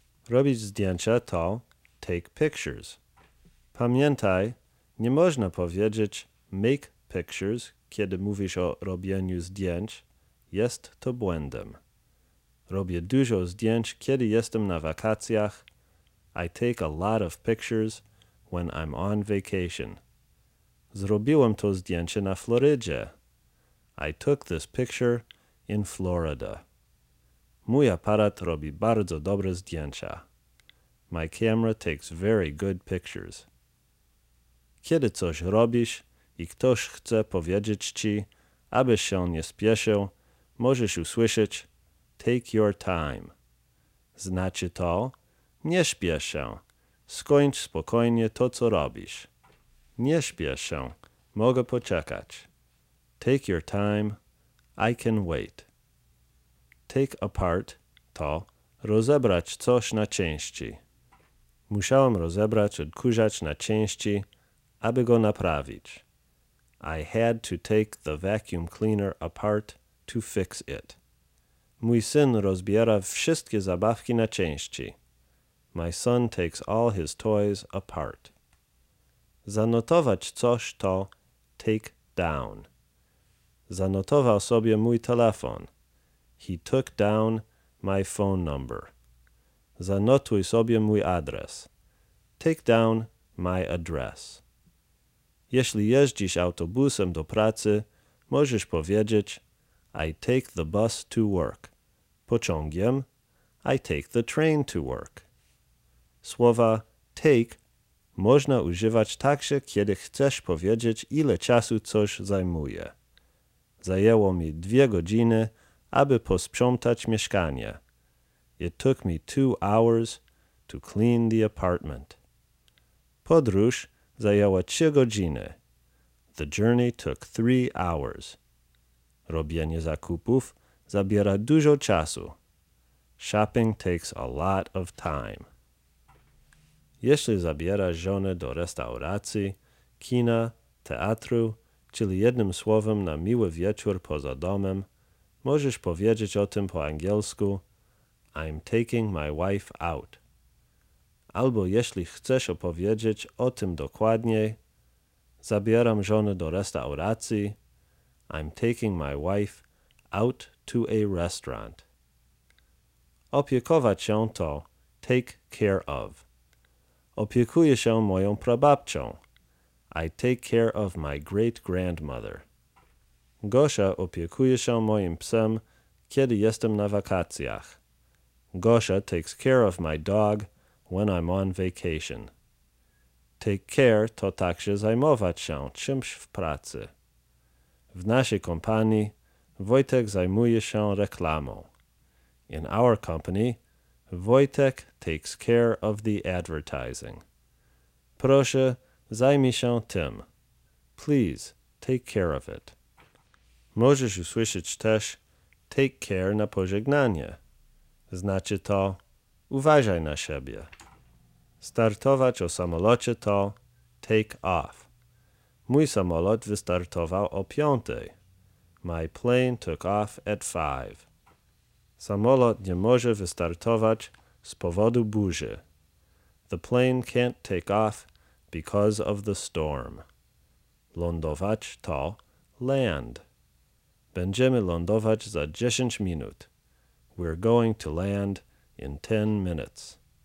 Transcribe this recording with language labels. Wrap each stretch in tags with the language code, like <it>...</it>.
<pl>Robić zdjęcia to</pl> <en>take pictures.</en> <pl>Pamiętaj, nie można powiedzieć</pl> <en>make pictures,</en> <pl>kiedy mówisz o robieniu zdjęć. Jest to błędem. Robię dużo zdjęć, kiedy jestem na wakacjach.</pl> <en>I take a lot of pictures when I'm on vacation.</en> <pl>Zrobiłem to zdjęcie na Florydzie.</pl> <en>I took this picture in Florida.</en> <pl>Mój aparat robi bardzo dobre zdjęcia.</pl> <en>My camera takes very good pictures.</en> <pl>Kiedy coś robisz i ktoś chce powiedzieć ci, abyś się nie spieszył, możesz usłyszeć</pl> <en>take your time.</en> <pl>Znaczy to, nie śpiesz się, skończ spokojnie to, co robisz. Nie śpiesz się, mogę poczekać.</pl> <en>Take your time, I can wait.</en> <pl>Take apart to rozebrać coś na części. Musiałem rozebrać odkurzacz na części, aby go naprawić.</pl> <en>I had to take the vacuum cleaner apart to fix it.</en> <pl>Mój syn rozbiera wszystkie zabawki na części.</pl> <en>My son takes all his toys apart.</en> <pl>Zanotować coś to take down. Zanotował sobie mój telefon.</pl> <en>He took down my phone number.</en> <pl>Zanotuj sobie mój adres.</pl> <en>Take down my address.</en> <pl>Jeśli jeździsz autobusem do pracy, możesz powiedzieć</pl> <en>I take the bus to work.</en> <pl>Pociągiem,</pl> <en>I take the train to work.</en> <pl>Słowa take można używać także, kiedy chcesz powiedzieć, ile czasu coś zajmuje. Zajęło mi 2 godziny, aby posprzątać mieszkanie.</pl> <en>It took me 2 hours to clean the apartment.</en> <pl>Podróż zajęła 3 godziny.</pl> <en>The journey took 3 hours.</en> <pl>Robienie zakupów zabiera dużo czasu.</pl> <en>Shopping takes a lot of time.</en> <pl>Jeśli zabierasz żonę do restauracji, kina, teatru, czyli jednym słowem na miły wieczór poza domem, możesz powiedzieć o tym po angielsku</pl> <en>I'm taking my wife out.</en> <pl>Albo jeśli chcesz opowiedzieć o tym dokładniej, zabieram żonę do restauracji,</pl> <en>I'm taking my wife out to a restaurant.</en> <pl>Opiekować się to take care of. Opiekuję się moją prababcią.</pl> <en>I take care of my great-grandmother.</en> <pl>Gosia opiekuje się moim psem, kiedy jestem na wakacjach.</pl> <en>Gosia takes care of my dog when I'm on vacation.</en> <pl>Take care to także zajmować się czymś w pracy. W naszej kompanii Wojtek zajmuje się reklamą.</pl> <en>In our company, Wojtek takes care of the advertising.</en> <pl>Proszę, zajmij się tym.</pl> <en>Please, take care of it.</en> <pl>Możesz usłyszeć też take care na pożegnanie. Znaczy to uważaj na siebie. Startować o samolocie to take off. Mój samolot wystartował o 5:00.</pl> <en>My plane took off at 5:00.</en> <pl>Samolot nie może wystartować z powodu burzy.</pl> <en>The plane can't take off because of the storm.</en> <pl>Lądować to land. Będziemy lądować za 10 minut.</pl> <en>We're going to land in 10 minutes.</en>